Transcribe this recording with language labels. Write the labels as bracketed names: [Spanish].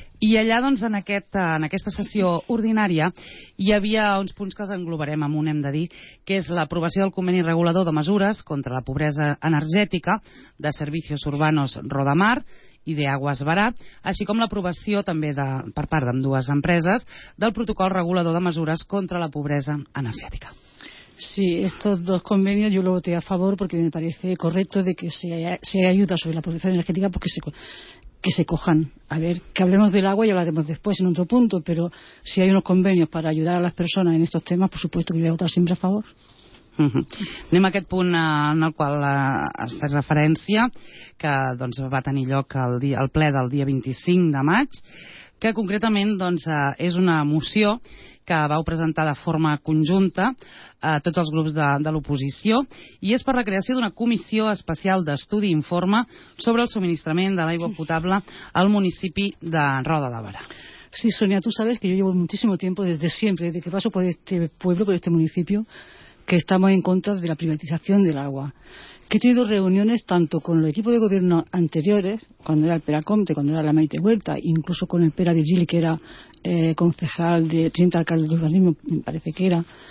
[Catalan] I allà, doncs, en aquesta sessió ordinària, hi havia uns punts que els englobarem en un, hem de dir, que és l'aprovació del conveni regulador de mesures contra la pobresa energètica de Servicios Urbanos Rodamar i d'Aguas Barà, així com l'aprovació també per part d'ambdues empreses del protocol regulador de mesures contra la pobresa energètica. [Spanish] Sí, estos dos convenios yo lo voté a favor porque me parece correcto de que si hay ayuda sobre la pobreza energética, porque que se cojan. A ver, que hablemos del agua y hablaremos después en otro punto, pero si hay unos convenios para ayudar a las personas en estos temas, por supuesto que voy a votar siempre a favor. [Catalan] Anem a aquest punt en el qual es fa referència, que doncs va tenir lloc al ple del dia 25 de maig, que concretament doncs és una moció que vau presentar de forma conjunta a tots els grups de l'oposició, i és per la creació d'una comissió especial d'estudi i informe sobre el subministrament de l'aigua potable al municipi de Roda de Barà. [Spanish] Sí, Sonia, tú sabes que yo llevo muchísimo tiempo, desde siempre, desde que paso por este pueblo, por este municipio, que estamos en contra de la privatización del agua. Que he tenido reuniones tanto con el equipo de gobierno anteriores, cuando era el Pera Comte, cuando era la Maite Huerta, incluso con el Pera Virgil, que era concejal de teniente alcalde de urbanismo, me parece que era.